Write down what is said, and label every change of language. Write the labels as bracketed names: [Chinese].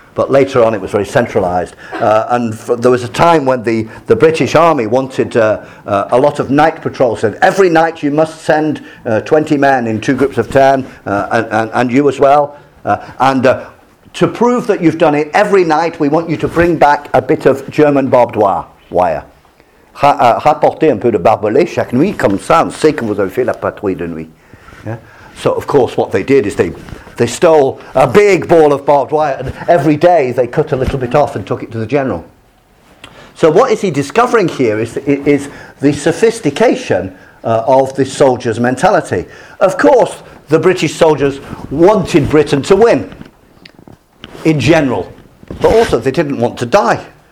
[English] but later on it was very centralized. And there was a time when the British Army wanted a lot of night patrols. And every night you must send 20 men in two groups of 10, and you as well. To prove that you've done it every night, we want you to bring back a bit of German barbed wire. [French] Rapporter un peu de barbelé chaque nuit, comme ça, on sait que vous avez fait la patrouille de nuit. [English] So, of course, what they did is they stole a big ball of barbed wire, and every day they cut a little bit off and took it to the general. So what is he discovering here is the sophistication of the soldier's mentality. Of course, the British soldiers wanted Britain to win, in general, but also they didn't want to die.